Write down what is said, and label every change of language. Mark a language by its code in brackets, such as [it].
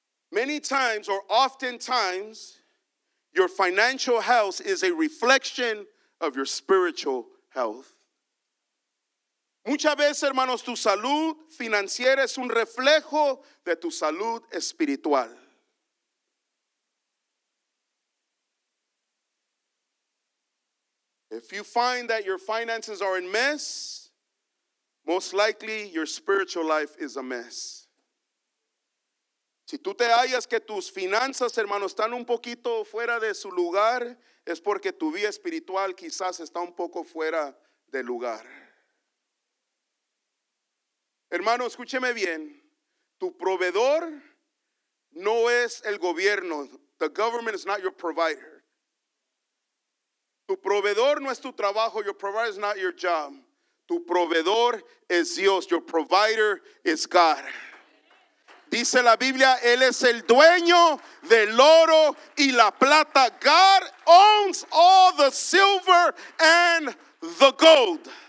[en] Many times or oftentimes, your financial health is a reflection of your spiritual health. [es] Muchas veces, hermanos, tu salud financiera es un reflejo de tu salud espiritual. [en] If you find that your finances are in mess, most likely your spiritual life is a mess. [es] Si tú te hallas que tus finanzas, hermanos, están un poquito fuera de su lugar, es porque tu vida espiritual quizás está un poco fuera de lugar. Hermano, escúcheme bien. Tu proveedor no es el gobierno. [en] The government is not your provider. [es] Tu proveedor no es tu trabajo. [en] Your provider is not your job. [es] Tu proveedor es Dios. [en] Your provider is God. [es] Dice la Biblia, Él es el dueño del oro y la plata. [en] God owns all the silver and the gold.